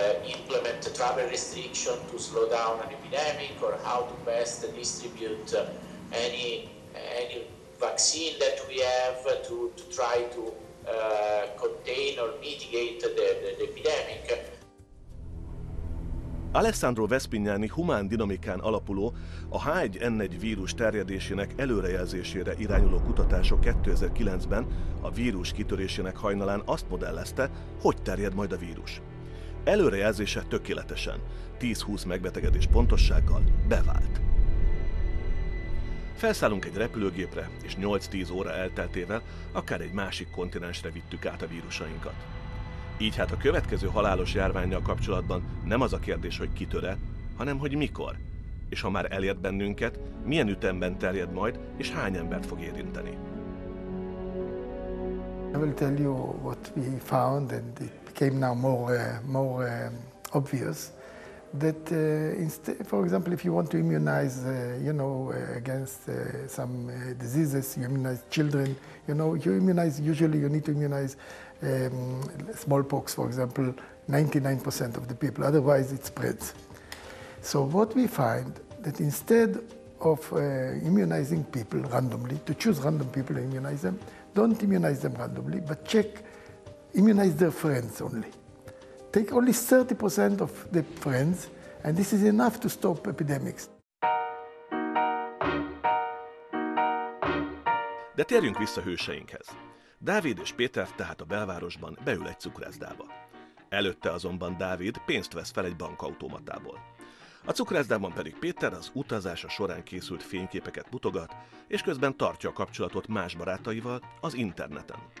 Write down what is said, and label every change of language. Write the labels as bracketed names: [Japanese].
[English] implement a travel restriction to slow down an epidemic, or how to best distribute any vaccine that we have to try to contain or mitigate the epidemic. [Hungarian] Alessandro Vespignani humán dinamikán alapuló, a H1N1 vírus terjedésének előrejelzésére irányuló kutatások 2009-ben a vírus kitörésének hajnalán azt modellezte, hogy terjed majd a vírus. Előrejelzése tökéletesen, 10-20 megbetegedés pontossággal bevált. Felszállunk egy repülőgépre, és 8-10 óra elteltével akár egy másik kontinensre vittük át a vírusainkat. Így hát a következő halálos járvánnyal kapcsolatban nem az a kérdés, hogy kitör-e, hanem hogy mikor, és ha már elért bennünket, milyen ütemben terjed majd, és hány embert fog érinteni. [English] I will tell you what we found, and it became now more obvious. that instead, for example, if you want to immunize, against some diseases, you immunize children. You know, you immunize. Usually, you need to immunize smallpox, for example, 99% of the people. Otherwise, it spreads. So what we find that instead of immunizing people randomly, to choose random people and immunize them, don't immunize them randomly, but check, immunize their friends only. Take only 30% of the friends, and this is enough to stop epidemics. [Hungarian] De térjünk vissza hőseinkhez. Dávid és Péter tehát a belvárosban beül egy cukrászdába. Előtte azonban Dávid pénzt vesz fel egy bankautomatából. A cukrászdában pedig Péter az utazása során készült fényképeket mutogat, és közben tartja a kapcsolatot más barátaival az interneten.